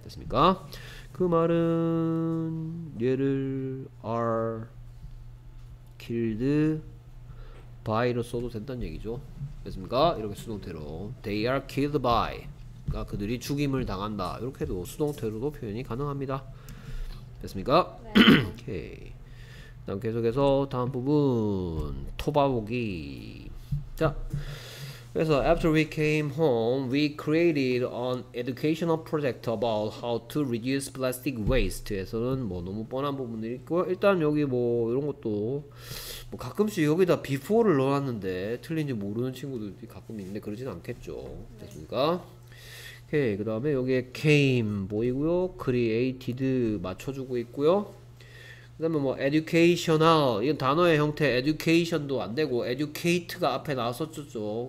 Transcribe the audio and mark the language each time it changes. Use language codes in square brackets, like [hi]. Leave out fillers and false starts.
[ko] 됐습니까? 그 말은 얘를 [en] are killed by [ko] 로 써도 된다는 얘기죠. 됐습니까? 이렇게 수동태로 [en] they are killed by [ko] 그러니까 그들이 죽임을 당한다 이렇게도 수동태로도 표현이 가능합니다. 됐습니까? 오케이. 다음 계속해서 다음 부분 토바보기. 자 그래서 [en] after we came home, we created an educational project about how to reduce plastic waste. [ko] 에서는 뭐 너무 뻔한 부분들이 있고 일단 여기 뭐 이런 것도 뭐 가끔씩 여기다 before를 넣어놨는데 틀린지 모르는 친구들이 가끔 있는데 그러진 않겠죠. 됐습니까? 오케이. 그 다음에 여기에 came 보이고요. created 맞춰주고 있고요. 그 다음에 뭐 educational 이건 단어의 형태 education도 안되고 educate가 앞에 나왔었죠.